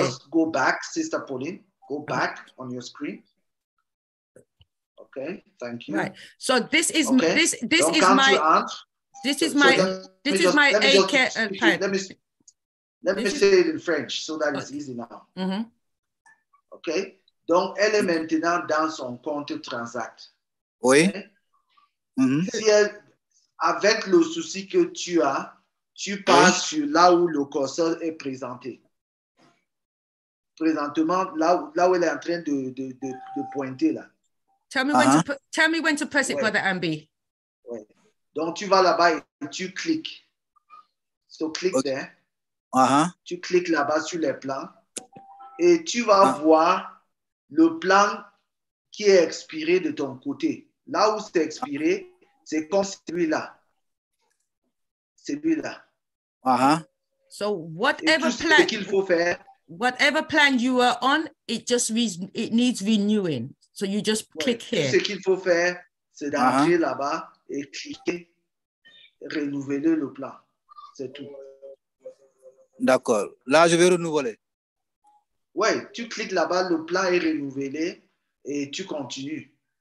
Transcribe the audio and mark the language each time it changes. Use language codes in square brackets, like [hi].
[en] Just go back, Sister Pauline. Go back on your screen. Okay, thank you. Right. So this is my A care and plan. Let me say it in French so that it's easy now. Mm-hmm. Okay. [fr] Donc elle est maintenant dans son compte Transact. Oui. [en] Okay? Mm-hmm. [fr] Si elle, avec le souci que tu as, tu passes oui. sur là où le curseur est présenté. Présentement, là où elle est en train de pointer là. [en] Tell me when to press it, ouais. Brother Ambi. [fr] Ouais. Donc tu vas là-bas et tu cliques. [en] So click okay. there. Uh-huh. [fr] Tu cliques là-bas sur les plans et tu vas uh-huh. voir le plan qui est expiré de ton côté. Là où c'est expiré, c'est comme celui-là. Celui-là. Uh-huh. [en] So whatever plan [fr] qu'il faut faire, [en] whatever plan you are on, it needs renewing. So you just ouais, click here. [fr] Ce qu'il faut faire, c'est d'entrer uh-huh. là-bas et cliquer, renouveler le plan. C'est tout. D'accord. Là, je vais renouveler. Ouais, tu cliques là-bas, le plan est renouvelé et tu continues.